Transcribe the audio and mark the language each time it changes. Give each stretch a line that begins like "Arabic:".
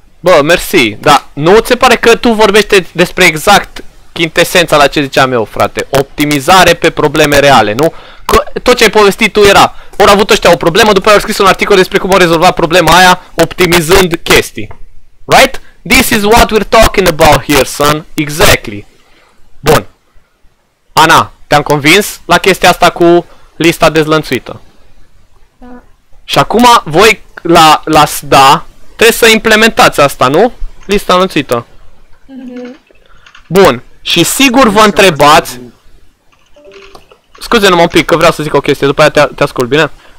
Romanian: Bă, mersi, dar nu ți se pare că tu vorbești despre exact chintesența la ce ziceam eu, frate? Optimizare pe probleme reale, nu? Că tot ce ai povestit tu era, ori avut ăștia o problemă, după aia au scris un articol despre cum au rezolvat problema aia, optimizând chestii.
English: Right? This is what we're talking about here, son. Exactly. Bun.
Romanian: Ana, te-am convins la chestia asta cu lista dezlănțuită? Da. Și acum voi la SDA trebuie să implementați asta, nu? Lista lănțuită. Mm-hmm. Bun. Și sigur vă întrebați, scuze-mă un pic că vreau să zic o chestie, după aia te ascult, bine?